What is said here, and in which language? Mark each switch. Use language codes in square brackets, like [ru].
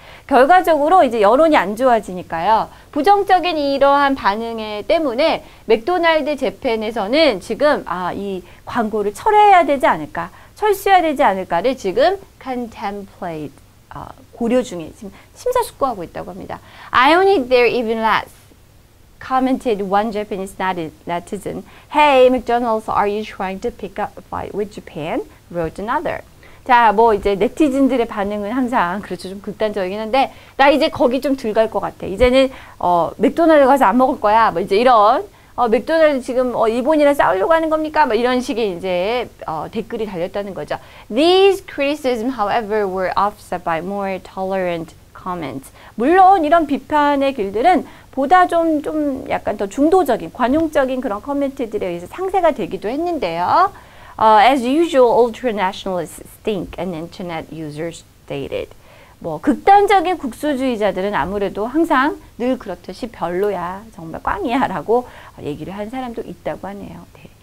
[ko] 결과적으로 이제 여론이 안 좋아지니까요. 부정적인 이러한 반응에 때문에 맥도날드 재팬에서는 지금 이 광고를 철회해야 되지 않을까, 철수해야 되지 않을까를 지금 contemplate 고려 중에 지금 심사숙고하고 있다고 합니다. [en] I own it there even less. Commented one Japanese netizen, "Hey McDonald's, are you trying to pick up a fight with Japan?" wrote another. [ko] 자, 뭐 이제 네티즌들의 반응은 항상 그렇죠, 좀 극단적이긴 한데 나 이제 거기 좀 덜 갈 것 같아. 이제는 맥도날드 가서 안 먹을 거야. 뭐 이제 이런 맥도날드 지금 일본이랑 싸우려고 하는 겁니까? 뭐 이런 식의 이제 댓글이 달렸다는 거죠. [en] These criticisms, however, were offset by more tolerant comments. [ko] 물론 이런 비판의 글들은 보다 좀 약간 더 중도적인, 관용적인 그런 코멘트들에 의해서 상쇄가 되기도 했는데요. [en] As usual, ultra-nationalists stink, an internet user stated. [ko] 뭐 극단적인 국수주의자들은 아무래도 항상 늘 그렇듯이 별로야, 정말 꽝이야 라고 얘기를 한 사람도 있다고 하네요. 네.